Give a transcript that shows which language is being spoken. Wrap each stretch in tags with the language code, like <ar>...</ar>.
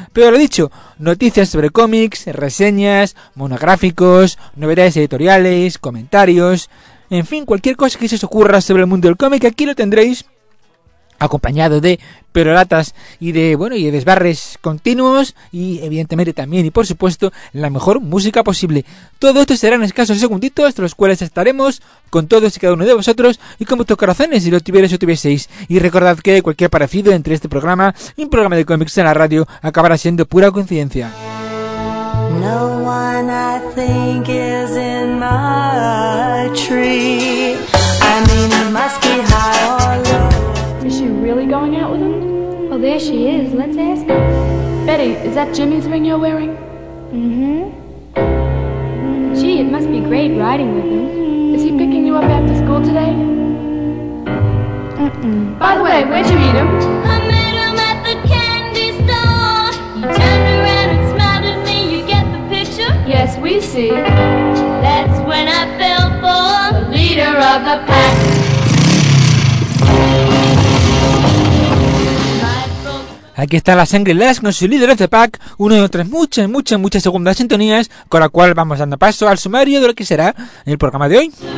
<es>Pero lo dicho, noticias sobre cómics, reseñas, monográficos, novedades editoriales, comentarios, en fin, cualquier cosa que se os ocurra sobre el mundo del cómic, aquí lo tendréis, acompañado de perolatas y de, bueno, y de desbarres continuos, y evidentemente también, y por supuesto, la mejor música posible. Todo esto será en escasos segunditos, los cuales estaremos con todos y cada uno de vosotros, y con vuestros corazones, si lo tuvierais o tuvieseis. Y recordad que cualquier parecido entre este programa y un programa de cómics en la radio acabará siendo pura coincidencia.</es> <en>No one I think is in my tree. I mean, it must be high or low. Is she really going out with him? Oh, there she is. Let's ask her. Betty, is that Jimmy's ring you're wearing? Mm-hmm. Gee, it must be great riding with him. Is he picking you up after school today? Mm-mm. By the way, where'd you meet him? I met him at the candy store. He turned around and smiled at me. You get the picture? Yes, we see. That's when I fell for the leader of the pack.</en> <es>Aquí está la Sangre Lass con su líder de Pack, una de otras muchas, muchas, muchas segundas sintonías, con la cual vamos dando paso al sumario de lo que será el programa de hoy.</es>